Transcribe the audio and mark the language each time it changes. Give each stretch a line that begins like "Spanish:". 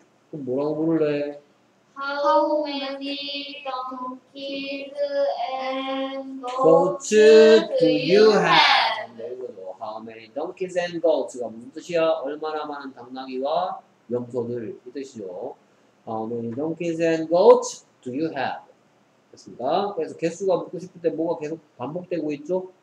Korean: 그럼 뭐라고 부를래?
English: How many donkeys and goats do you have? How many donkeys and goats가
Korean: 무슨 뜻이야? 얼마나 많은 당나귀와 염소들 이 뜻이죠.
English: How many donkeys and goats do you have?
Korean: 됐습니다. 그래서 개수가 묻고 싶을 때 뭐가 계속 반복되고 있죠?